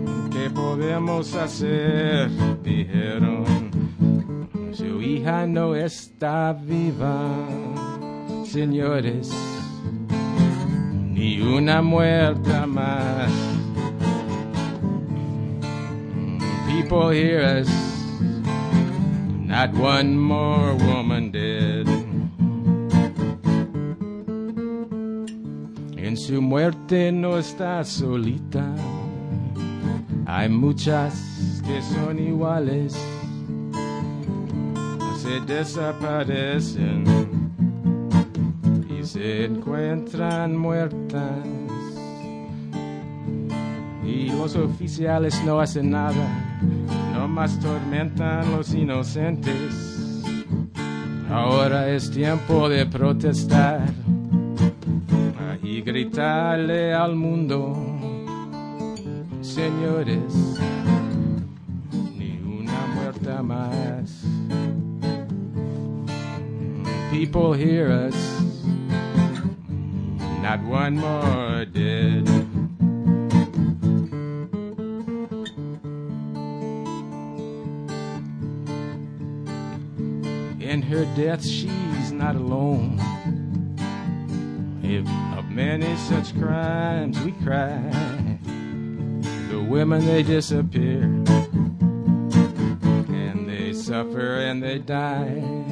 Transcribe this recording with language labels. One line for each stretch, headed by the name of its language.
Spanish: ¿Qué podemos hacer? Dijeron. Su hija no está viva, señores, ni una muerta más.
English: People hear us, not one more woman dead.
Spanish: En su muerte no está solita, hay muchas que son iguales. Se desaparecen y se encuentran muertas y los oficiales no hacen nada, no más tormentan los inocentes. Ahora es tiempo de protestar y gritarle al mundo, señores, ni una muerta más.
English: People hear us, not one more dead. In her death, she's not alone. If of many such crimes we cry, the women they disappear, and they suffer and they die.